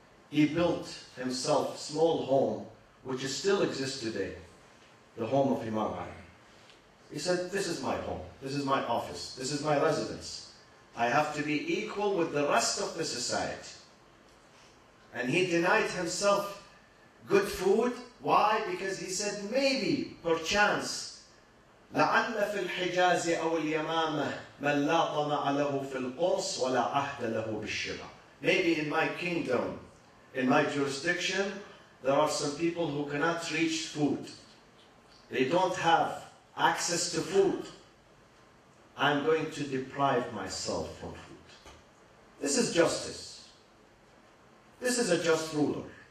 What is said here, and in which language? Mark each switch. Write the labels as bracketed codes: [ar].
[en] He built himself a small home, which still exists today, the home of Imam Ali. He said, this is my home, this is my office, this is my residence. I have to be equal with the rest of the society. And he denied himself good food. Why? Because he said, maybe, perchance, [ar] لَعَلَّ فِي الْحِجَازِ أَوْ الْيَمَامَةِ مَنْ لَا طَمَعَ لَهُ فِي الْقُرْصِ وَلَا عَهْدَ لَهُ بِالشِّرَى. [en] Maybe in my kingdom, in my jurisdiction, there are some people who cannot reach food. They don't have access to food. I'm going to deprive myself from food. This is justice. This is a just ruler.